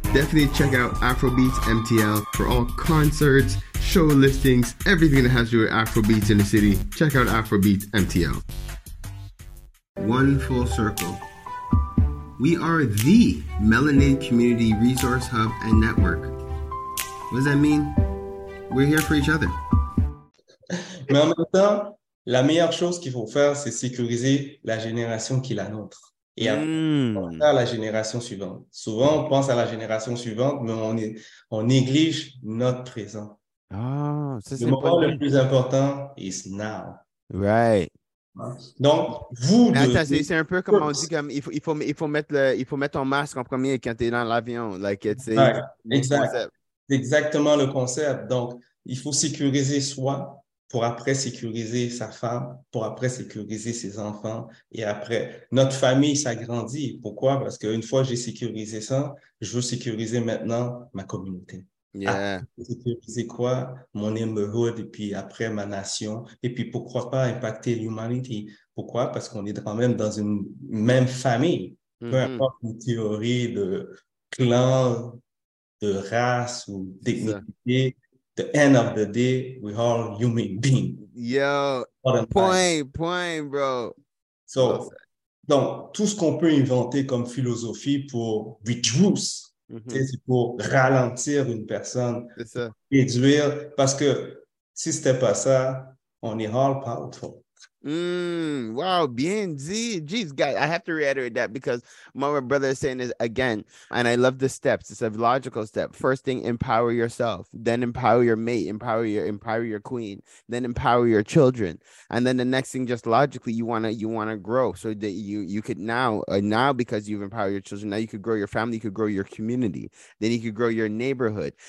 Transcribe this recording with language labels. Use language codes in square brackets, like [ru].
[en] Definitely check out Afrobeats MTL for all concerts, show listings, everything that has to do with Afrobeats in the city. Check out Afrobeats MTL. One full circle. We are the Melanated Community Resource Hub and Network. What does that mean? We're here for each other. [fr] Mais en même temps, la meilleure chose qu'il faut faire, c'est sécuriser la génération qui est la nôtre. Et après, on à la génération suivante. Souvent, on pense à la génération suivante, mais on néglige notre présent. Ah, ça, le moment le plus important [en] is now. Right. [fr] Donc, vous... C'est un peu comme on dit, comme il faut mettre ton masque en premier quand tu es dans l'avion. [en] Like, it's [fr] exact. C'est exactement le concept. Donc, il faut sécuriser soi pour après sécuriser sa femme, pour après sécuriser ses enfants. Et après, notre famille s'agrandit. Pourquoi? Parce qu'une fois que j'ai sécurisé ça, je veux sécuriser maintenant ma communauté. [en] Yeah. [fr] Sécuriser quoi? Mon neighborhood, et puis après ma nation. Et puis pourquoi pas impacter l'humanité? Pourquoi? Parce qu'on est quand même dans une même famille. Peu importe une théorie de clan, de race ou d'ethnicité. [en] The end of the day, we all human beings. Yo, point, bro. [fr] So, donc, tout ce qu'on peut inventer comme philosophie pour reduce, c'est pour ralentir une personne, c'est ça. Réduire, parce que si c'était pas ça, on est [en] all powerful. [fr] Wow, bien dit. [en] Jeez, guys, I have to reiterate that because my brother is saying this again, and I love the steps. It's a logical step. First thing, empower yourself. Then empower your mate. Empower your queen. Then empower your children. And then the next thing, just logically, you wanna grow so that you could now because you've empowered your children, now you could grow your family, you could grow your community, then you could grow your neighborhood.